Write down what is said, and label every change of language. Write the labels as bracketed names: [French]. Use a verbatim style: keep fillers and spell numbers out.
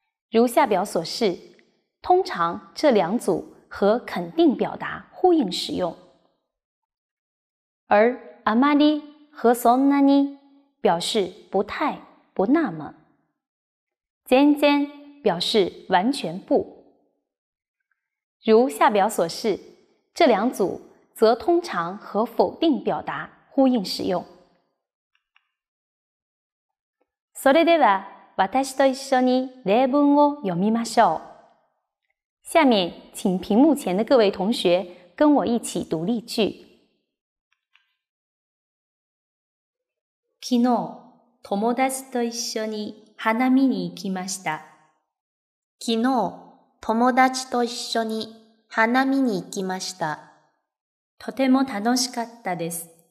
[Chinese] 如下表所示，通常这两组和肯定表达呼应使用，而あまり和そんなに表示不太、不那么，全然表示完全不。如下表所示，这两组则通常和否定表达呼应使用。 [Japanese] それでは私と一緒に例文を読みましょう。 [Chinese] 下面请屏幕前的各位同学跟我一起读例句。 [Japanese] 昨日、友達と一緒に花見に行きました。昨日、友達と一緒に花見に行きました。とても楽しかったです。